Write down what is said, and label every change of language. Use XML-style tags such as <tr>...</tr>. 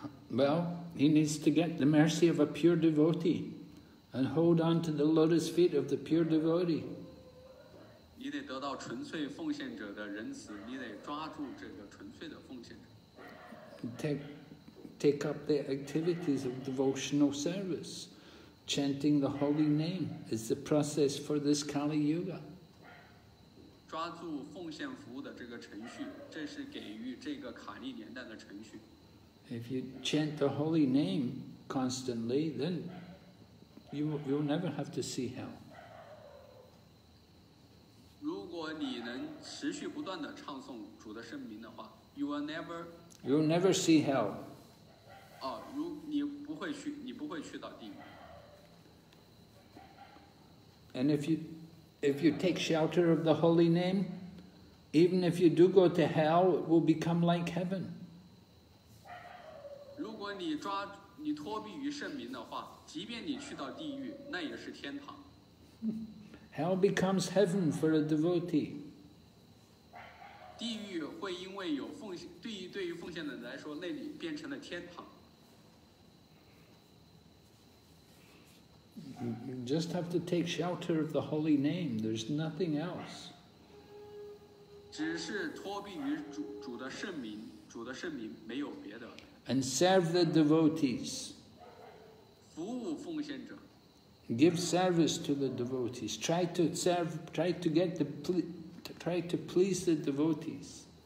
<en>Well, he needs to get the mercy of a pure devotee and hold on to the lotus feet of the pure devotee.</en> <zh>你得得到纯粹奉献者的仁慈，你得抓住这个纯粹的奉献者。</zh> <en>Take up the activities of devotional service. Chanting the holy name is the process for this Kali Yuga.</en> <zh>抓住奉献服务的这个程序，这是给予这个卡利年代的程序。</zh> <en>If you chant the holy name constantly, then you'll never have to see hell.</en> <zh>如果你能持续不断地唱诵主的圣名的话</zh> <en>You'll never see hell.</en> <zh>哦，如你不会去，你不会去到地狱。</zh> <en>And if you take shelter of the holy name, even if you do go to hell, it will become like heaven.</en> <zh>如果你抓你托庇于圣名的话，即便你去到地狱，那也是天堂。</zh> <en>Hell becomes heaven for a devotee.</en> <zh>地狱会因为有奉献，对于奉献的人来说，那里变成了天堂。</zh> <en>You just have to take shelter of the holy name. There's nothing else.</en> <zh>只是托庇于主的圣名，主的圣名没有别的。</zh> <en>And serve the devotees.</en> <zh>服务奉献者。</zh> <en>Give service to the devotees. Try to please the devotees.</en>